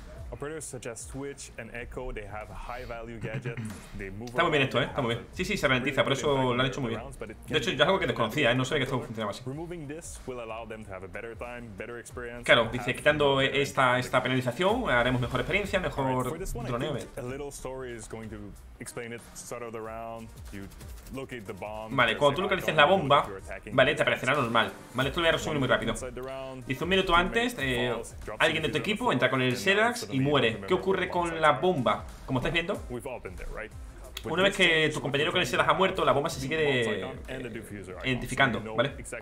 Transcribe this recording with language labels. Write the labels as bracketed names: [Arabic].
[English] Operators suggest Twitch and Echo. They have a high value gadget. They move. [Spanish] Está muy bien esto, está muy bien. Sí, sí, se ralentiza, por eso lo han hecho muy bien. De hecho, yo es algo que desconocía, no sabía que esto funcionaba así. [English] Removing this will allow them to have a better time, better experience. [Spanish] Claro, dice quitando esta penalización haremos mejor experiencia, mejor droneo. [English] A little story is going to explain it. Start of the round, you locate the bomb. [Spanish] Vale, cuando tú localices la bomba, vale, te aparecerá normal. Vale, esto lo voy a resumir muy rápido. Dice un minuto antes, alguien de tu equipo entra con el Xerax y muere. ¿Qué ocurre con la bomba? Como estáis viendo, una vez que tu compañero con el Xerax ha muerto, la bomba se sigue identificando, ¿vale?